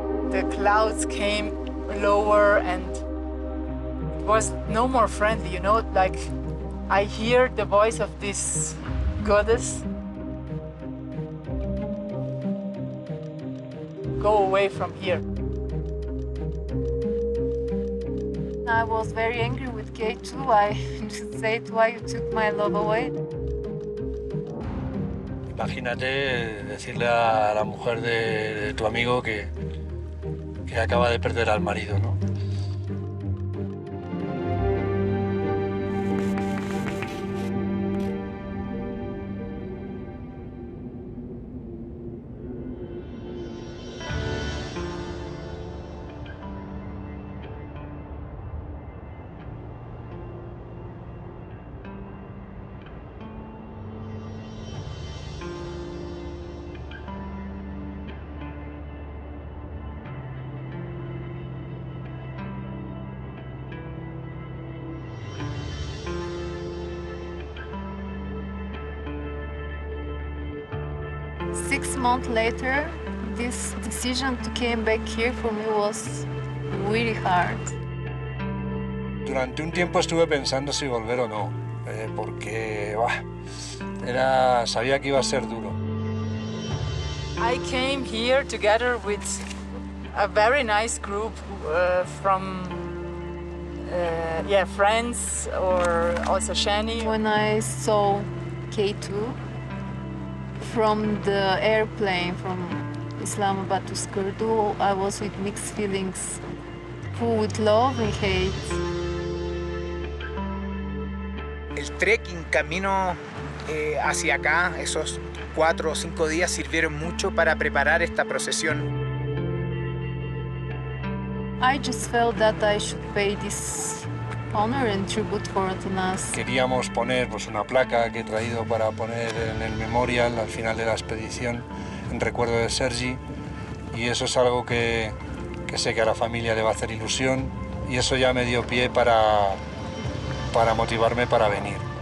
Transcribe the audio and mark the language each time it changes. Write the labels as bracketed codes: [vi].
[en] the clouds came lower and it was no more friendly, you know, like I hear the voice of this goddess. Go away from here. I was very angry with Kay too. I just said, why you took my love away? [es] Imagínate decirle a la mujer de tu amigo que acaba de perder al marido, ¿no? [en] Later, this decision to come back here for me was really hard. [es] Durante un tiempo estuve pensando si volver o no, porque sabía que iba a ser duro. [en] I came here together with a very nice group from friends or also Shani. When I saw K2. From the airplane from Islamabad to Skurdu, I was with mixed feelings, full with love and hate. [es] El trekking, camino hacia acá, esos 4 o 5 días sirvieron mucho para preparar esta procesión. [en] I just felt that I should pay this honor and tribute for Atanas. [es] Queríamos poner pues una placa que he traído para poner en el memorial al final de la expedición en recuerdo de Sergi, y eso es algo que sé que a la familia le va a hacer ilusión, y eso ya me dio pie para motivarme para venir.